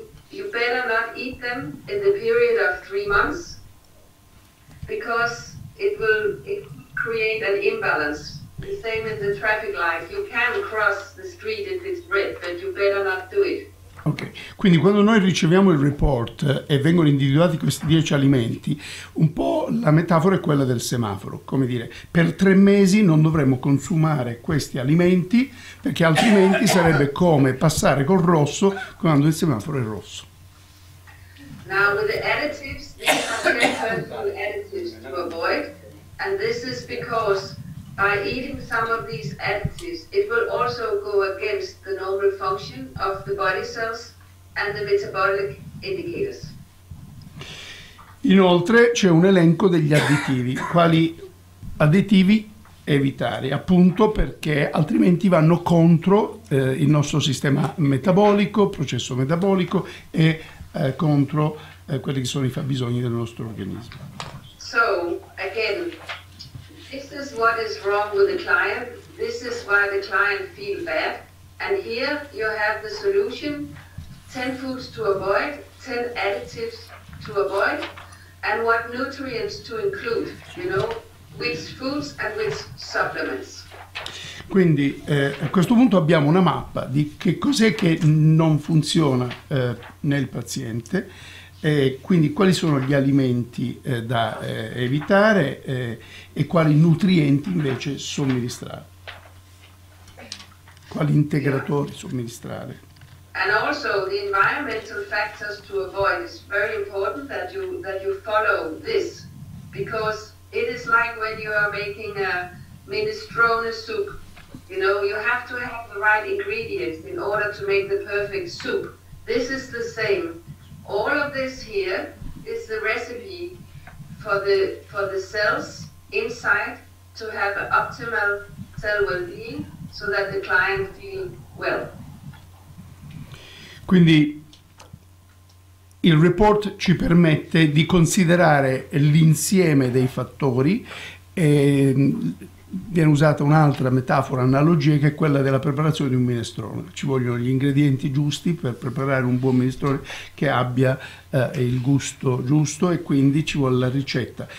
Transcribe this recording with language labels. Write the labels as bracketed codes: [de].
[en] You better not eat them in the period of 3 months. Because it create an imbalance. The same in the traffic light. You can cross the street if it's red, but you better not do it. [it] Ok, quindi quando noi riceviamo il report e vengono individuati questi 10 alimenti, un po' la metafora è quella del semaforo, come dire, per 3 mesi non dovremmo consumare questi alimenti, perché altrimenti sarebbe come passare col rosso quando il semaforo è rosso. [en] Now with the additives, these are chemical additives to avoid, and this is because by eating some of these additives, it will also go against the normal function of the body cells and the metabolic indicators. [it] Inoltre c'è un elenco degli additivi, quali additivi evitare, appunto perché altrimenti vanno contro il nostro sistema metabolico, processo metabolico e contro quelli che sono i fabbisogni del nostro organismo. [en] So, again, this is what is wrong with the client. This is why the client feels bad. And here you have the solution: 10 foods to avoid, 10 additives to avoid, and what nutrients to include, you know, which foods and which supplements. [it] Quindi a questo punto abbiamo una mappa di che cos'è che non funziona nel paziente, quindi quali sono gli alimenti da evitare e quali nutrienti invece somministrare, quali integratori somministrare. [en] And also the environmental factors to avoid is very important that you follow this, because it is like when you are making a minestrone soup. You know, you have to have the right ingredients in order to make the perfect soup. This is the same. All of this here is the recipe for the cells inside to have an optimal cell well-being so that the client feel well. [it] Quindi il report ci permette di considerare l'insieme dei fattori e viene usata un'altra metafora, analogia, che è quella della preparazione di un minestrone. Ci vogliono gli ingredienti giusti per preparare un buon minestrone che abbia il gusto giusto, e quindi ci vuole la ricetta.